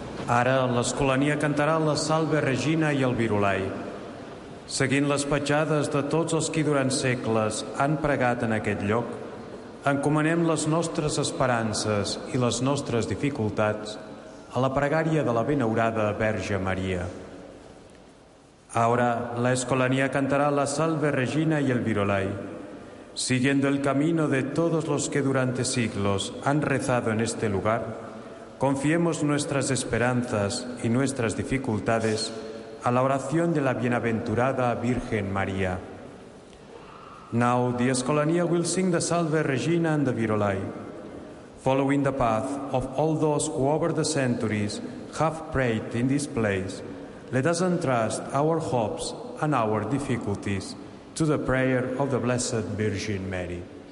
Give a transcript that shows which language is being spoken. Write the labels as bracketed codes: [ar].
[ca] Ara, l'Escolania cantarà la Salve Regina i el Virolai, seguint les petjades de tots els qui durant segles han pregat en aquest lloc, encomanem les nostres esperances i les nostres dificultats a la pregària de la benaurada Verge Maria. Ara, l'Escolania cantarà la Salve Regina i el Virolai, [es] siguiendo el camino de todos los que durante siglos han rezado en este lugar, confiemos nuestras esperanzas y nuestras dificultades a la oración de la Bienaventurada Virgen María. [en] Now the Escolania will sing the Salve Regina and the Virolai, following the path of all those who over the centuries have prayed in this place. Let us entrust our hopes and our difficulties to the prayer of the Blessed Virgin Mary.